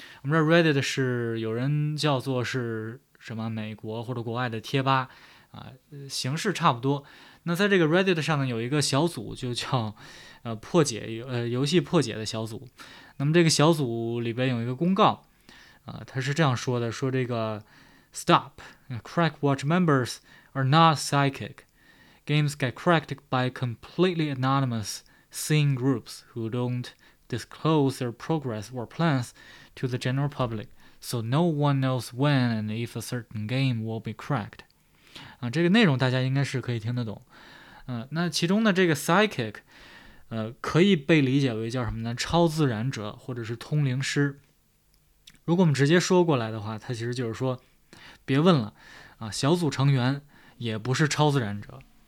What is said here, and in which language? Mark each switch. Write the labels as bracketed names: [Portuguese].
[Chinese] 我们这 Reddit 是有人叫做是。什么美国或者国外的贴吧，形式差不多。那在这个 Reddit 上呢，有一个小组，就叫破解游戏破解的小组。那么这个小组里边有一个公告，他是这样说的：说这个 [English] Stop，Crack Watch members are not psychic. Games get cracked by completely anonymous scene groups who don't disclose their progress or plans to the general public. So no one knows when and if a certain game will be cracked。 [Chinese] 这个内容大家应该是可以听得懂。那其中的这个 psychic，可以被理解为叫什么呢？超自然者或者是通灵师。如果我们直接说过来的话，它其实就是说，别问了，小组成员也不是超自然者。